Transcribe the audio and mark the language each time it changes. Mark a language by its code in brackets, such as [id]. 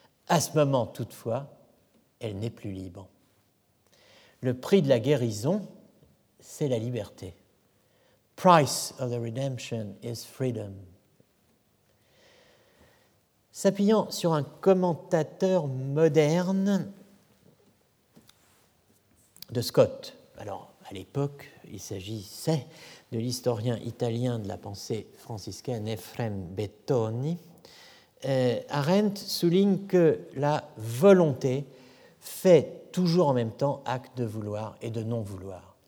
[fr] À ce moment, toutefois, elle n'est plus libre. Le prix de la guérison, c'est la liberté. [en] Price of the redemption is freedom. [fr] S'appuyant sur un commentateur moderne de Scott, alors à l'époque, il s'agissait de l'historien italien de la pensée franciscaine Ephrem Bettoni, Arendt souligne que la volonté fait toujours en même temps acte de vouloir et de non-vouloir.